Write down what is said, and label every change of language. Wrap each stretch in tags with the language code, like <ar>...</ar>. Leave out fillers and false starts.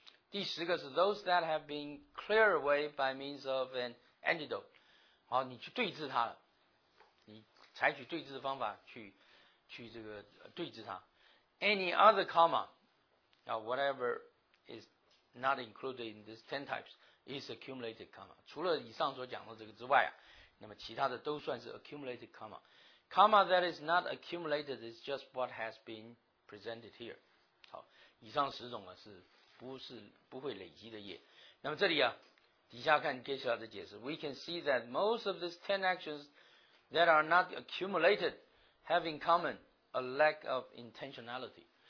<zh>第十个是</zh> <en>those that have been cleared away by means of an antidote.</en> <zh>好，你去对治它了，你采取对治的方法去这个对治它。</zh> <en>Any other comma, whatever is not included in these 10 types is accumulated comma.</en> <zh>除了以上所讲的这个之外啊，那么其他的都算是</zh> <en>accumulated comma. Comma that is not accumulated is just what has been presented here.</en> <zh>好，以上十种啊是不是不会累积的业。那么这里啊，底下看 Geshe-la 的解释。</zh> <en>We can see that most of these 10 actions that are not accumulated have in common a lack of intentionality.</en>